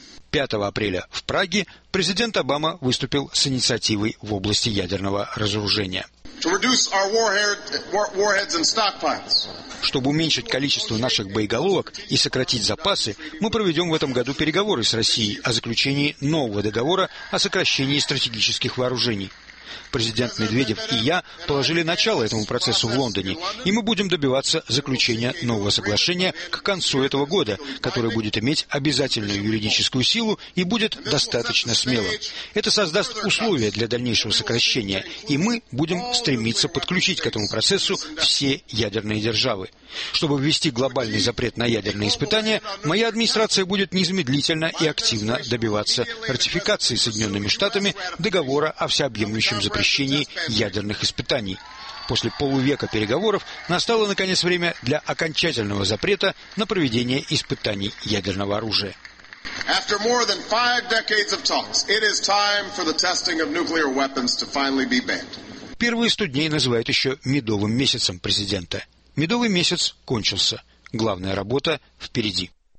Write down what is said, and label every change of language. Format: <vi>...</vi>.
<ru>5 апреля в Праге президент Обама выступил с инициативой в области ядерного разоружения.</ru> <en>To reduce our warheads and stockpiles.</en> <ru>Чтобы уменьшить количество наших боеголовок и сократить запасы, мы проведем в этом году переговоры с Россией о заключении нового договора о сокращении стратегических вооружений. Президент Медведев и я положили начало этому процессу в Лондоне, и мы будем добиваться заключения нового соглашения к концу этого года, которое будет иметь обязательную юридическую силу и будет достаточно смелым. Это создаст условия для дальнейшего сокращения, и мы будем стремиться подключить к этому процессу все ядерные державы. Чтобы ввести глобальный запрет на ядерные испытания, моя администрация будет незамедлительно и активно добиваться ратификации Соединенными Штатами договора о всеобъемлющем запрещении ядерных испытаний. После полувека переговоров настало, наконец, время для окончательного запрета на проведение испытаний ядерного оружия.</ru> <en>After more than five decades of talks, it is time for the testing of nuclear weapons to finally be banned.</en> <ru>Первые 100 дней называют еще «медовым месяцем» президента. Медовый месяц кончился. Главная работа впереди.</ru>